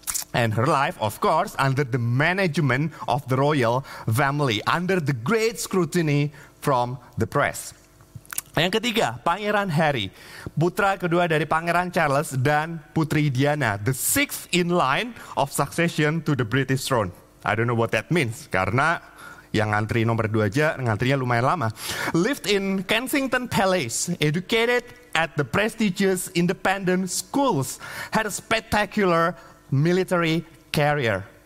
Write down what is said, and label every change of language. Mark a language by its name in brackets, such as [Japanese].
[English] And her life, of course, under the management of the royal family. Under the great scrutiny from the press. [Indonesian] Yang ketiga, Pangeran Harry. Putra kedua dari Pangeran Charles dan Putri Diana. [English] The sixth in line of succession to the British throne. I don't know what that means. [Indonesian] Karena yang antri nomor dua aja, ngantrinya lumayan lama. [English] Lived in Kensington Palace, educated at the prestigious independent schools, had a spectacular military career.